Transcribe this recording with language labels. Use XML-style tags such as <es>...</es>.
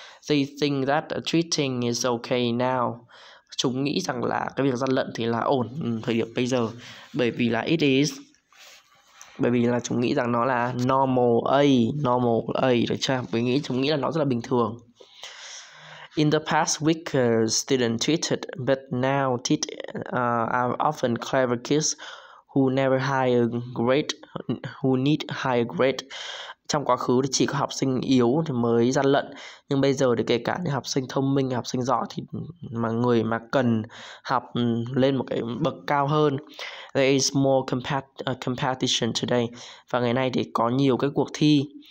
<en>They think that cheating is okay now,</en> <vi>chúng nghĩ rằng là cái việc gian lận thì là ổn thời điểm bây giờ, bởi vì là</vi> <en>it is,</en> <vi>bởi vì là chúng nghĩ rằng nó là</vi> <en>normal</en> <vi>a được chưa, bởi nghĩ chúng nghĩ là nó rất là bình thường.</vi> <en>In the past week, student cheated, but now are often clever kids who need higher grade.</en> <vi>Trong quá khứ thì chỉ có học sinh yếu thì mới gian lận, nhưng bây giờ thì kể cả những học sinh thông minh, học sinh giỏi thì mà người mà cần học lên một cái bậc cao hơn.</vi> <en>There is more competition today,</en> <vi>và ngày nay thì có nhiều cái cuộc thi.</vi>